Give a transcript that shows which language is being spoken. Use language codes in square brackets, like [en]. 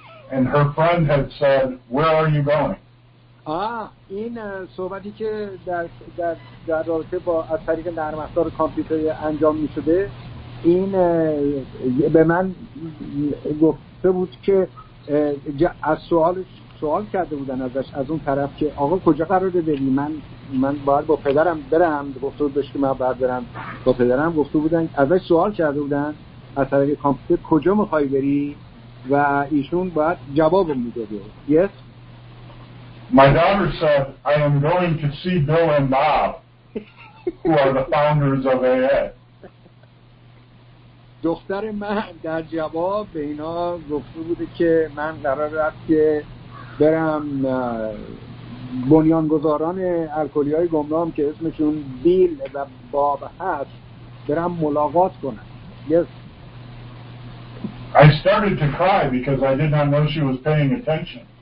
[en] And her friend had said, where are you going? [fa] این صحبتی که در رابطه با از طریق نرم افزار کامپیوتر انجام می شده این به من گفته بود که از سوال کرده بودن ازش از اون طرف که آقا کجا قراره بری؟ من باید با پدرم برم. گفته بودش که من باید برم با پدرم. گفته بودن ازش سوال کرده بودن از طریق کامپیوتر کجا میخوای بری و ایشون باید جواب میداده. [en] Yes. My daughter said I am going to see Bill and Bob who are the founders of AA. [fa] دختر من در جواب به اینا گفته بوده که من قرار است که برم بنیانگذاران الکلی های گمنام که اسمشون بیل و باب هست برم ملاقات کنم. [en] Yes. I started to cry because I did not know she was paying attention.